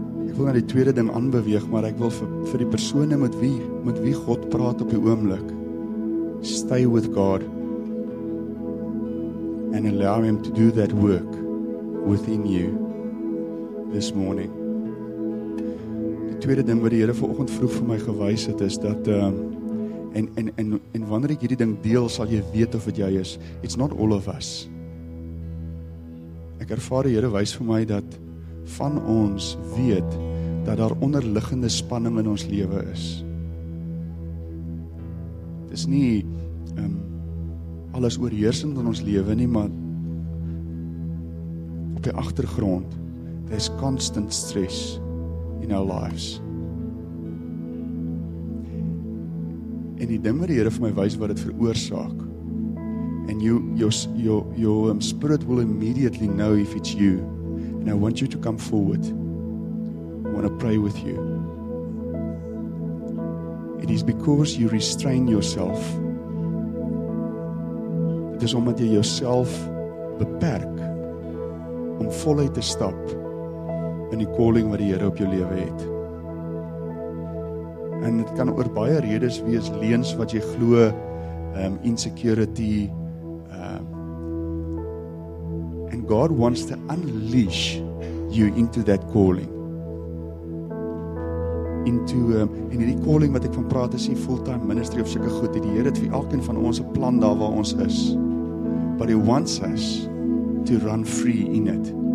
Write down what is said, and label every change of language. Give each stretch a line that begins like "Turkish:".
Afrikaans: Ek wil na die tweede ding aanbeweeg, maar ek wil vir die persone met wie God praat op die oomblik.
English: Stay with God and allow him to do that work within you this morning.
Afrikaans: Tweede ding wat die Here vanoggend vroeg vir my gewys het is dat en wanneer ek hierdie ding deel sal jy weet of dit jy is.
English: It's not all of us.
Afrikaans: Ek ervaar die Here wys vir my dat van ons weet dat daar onderliggende spanning in ons lewe is. Dit is nie alles oorheersend in ons lewe nie, maar op die agtergrond
English: there's constant stress in our lives.
Afrikaans: En die ding wat die Here vir my wys wat dit veroorsaak.
English: And your spirit will immediately know if it's you. And I want you to come forward. I want to pray with you. It is because you restrain yourself.
Afrikaans: Dit is omdat jy jouself beperk om voluit te stap in die calling wat die Here op jou lewe het. En dit kan oor baie redes wees, leens wat jy glo, insecurity,
English: and God wants to unleash you into that calling.
Afrikaans: En hierdie calling wat ek van praat is nie fulltime ministry of sulke goed, die Here het vir elkeen van ons 'n plan daar waar ons is.
English: But he wants us to run free in it.